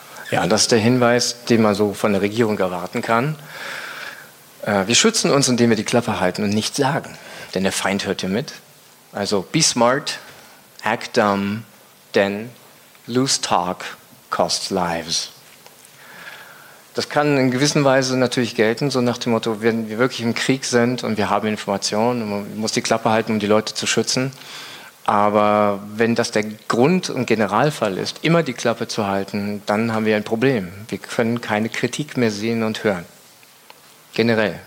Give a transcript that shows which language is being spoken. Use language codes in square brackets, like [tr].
[de] Ja, das ist der Hinweis, den man so von der Regierung erwarten kann. Wir schützen uns, indem wir die Klappe halten und nichts sagen. Denn der Feind hört ja mit. [en] Also be smart, act dumb, then loose talk costs lives. [de] Das kann in gewisser Weise natürlich gelten, so nach dem Motto, wenn wir wirklich im Krieg sind und wir haben Informationen und man muss die Klappe halten, um die Leute zu schützen. Aber wenn das der Grund- und Generalfall ist, immer die Klappe zu halten, dann haben wir ein Problem. Wir können keine Kritik mehr sehen und hören. Generell.